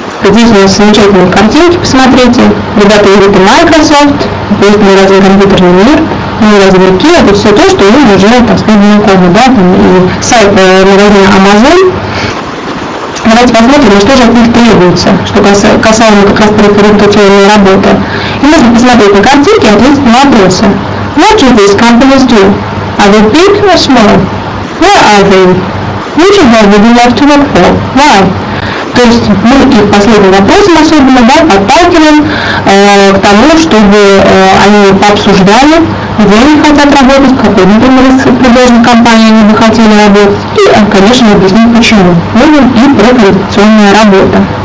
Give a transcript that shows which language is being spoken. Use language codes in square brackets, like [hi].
[ru] Здесь у нас замечательные картинки, посмотрите. Ребята говорят, это Microsoft, будет мой разный компьютерный мир, мой разный Kia, это все то, что им уже, так сказать, знакомо, да, там, и сайт магазина Amazon. Давайте посмотрим, что же от них требуется, что касаемо как раз презентационной работы. И нужно посмотреть на картинки и ответить на вопросы. [en] What do these companies do? Are they big or small? Where are they? Which of them would you like to work for? Why? [ru] То есть мы их последним вопросом особенно, да, подталкиваем к тому, чтобы они пообсуждали, где они хотят работать, в какой, например, предложенной компании они бы хотели работать, и, конечно, объяснить, почему. Ну и прокомментационная работа.